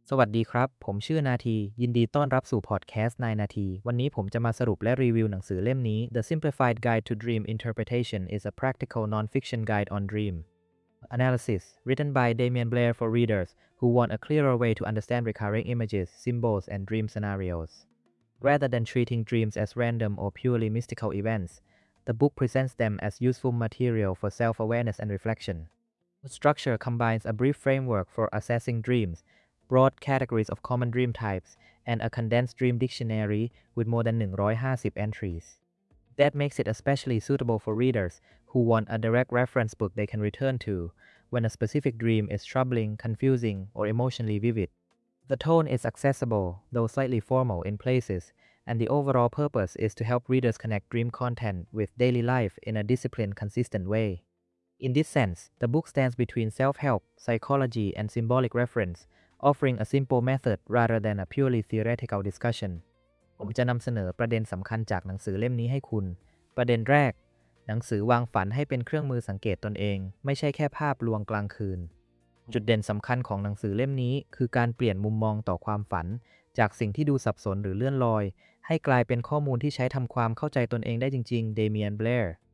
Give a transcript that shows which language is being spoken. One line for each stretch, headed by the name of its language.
Thai: สวัสดีครับผมชื่อนาทียินดีต้อนรับสู่พอดแคสต์9นาทีวันนี้ผมจะมาสรุปและรีวิวหนังสือเล่มนี้
English: The Simplified Guide to Dream Interpretation is a Practical Non-Fiction Guide on Dream Analysis written by Damien Blair for readers who want a clearer way to understand recurring images, symbols, and dream scenarios. Rather than treating dreams as random or purely mystical events, the book presents them as useful material for self-awareness and reflection. The structure combines a brief framework for assessing dreams,broad categories of common dream types, and a condensed dream dictionary with more than 150 entries. That makes it especially suitable for readers who want a direct reference book they can return to when a specific dream is troubling, confusing, or emotionally vivid. The tone is accessible, though slightly formal in places, and the overall purpose is to help readers connect dream content with daily life in a disciplined, consistent way. In this sense, the book stands between self-help, psychology, and symbolic reference,offering a simple method rather than a purely theoretical discussion.
Thai: ผมจะนำเสนอประเด็นสำคัญจากหนังสือเล่มนี้ให้คุณ ประเด็นแรก หนังสือวางฝันให้เป็นเครื่องมือสังเกตตนเอง ไม่ใช่แค่ภาพลวงกลางคืน จุดเด่นสำคัญของหนังสือเล่มนี้คือการเปลี่ยนมุมมองต่อความฝันจากสิ่งที่ดูสับสนหรือเลื่อนลอยให้กลายเป็นข้อมูลที่ใช้ทำความเข้าใจตนเองได้จริงๆ Damien Blair